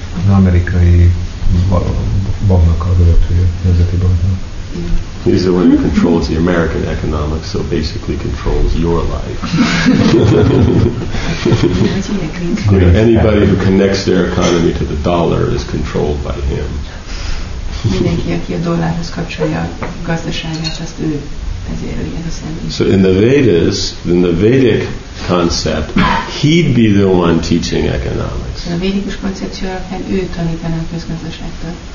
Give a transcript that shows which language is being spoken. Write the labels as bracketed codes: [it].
[hu] Az amerikai banknak a vezetője, nemzeti banknak. [en] He's the one who controls the American economics, so basically controls your life. Anybody who connects their economy to the dollar is controlled by him. [hu] Mindenki, aki a dollárhoz kapcsolja a gazdaságát, azt ő vezérli. [en] So in the Vedas, in the Vedic concept, he'd be the one teaching economics. [hu] A védikus koncepció alapján ő tanítaná a közgazdaságtan.